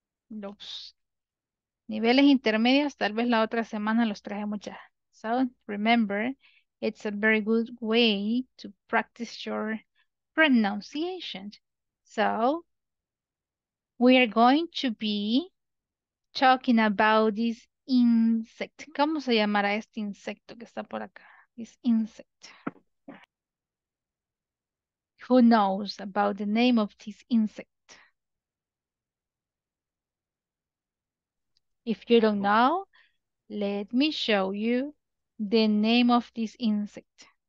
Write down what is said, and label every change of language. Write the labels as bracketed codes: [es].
[es] Los niveles intermedios, tal vez la otra semana los trajemos ya. [en] So, remember, it's a very good way to practice your pronunciation. So, we are going to be talking about this insect. [es] ¿Cómo se llamará este insecto que está por acá? [en] This insect. Who knows about the name of this insect? If you don't know, let me show you the name of this insect.